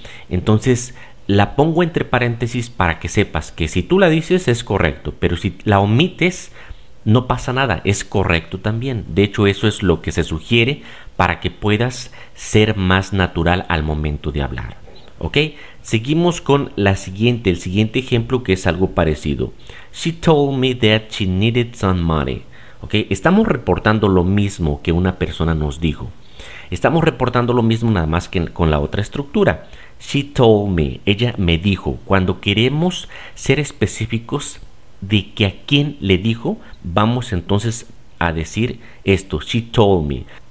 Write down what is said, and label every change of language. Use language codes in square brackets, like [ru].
[es] Entonces, la pongo entre paréntesis para que sepas que si tú la dices es correcto, pero si la omites, no pasa nada, es correcto también. De hecho, eso es lo que se sugiere para que puedas ser más natural al momento de hablar, ¿ok? Seguimos con el siguiente ejemplo que es algo parecido. [en] She told me that she needed some money. [es] Okay, estamos reportando lo mismo que una persona nos dijo. Estamos reportando lo mismo nada más que con la otra estructura. [en] She told me, [es] ella me dijo. Cuando queremos ser específicos de que a quién le dijo, vamos entonces a decir esto. [en] She told me.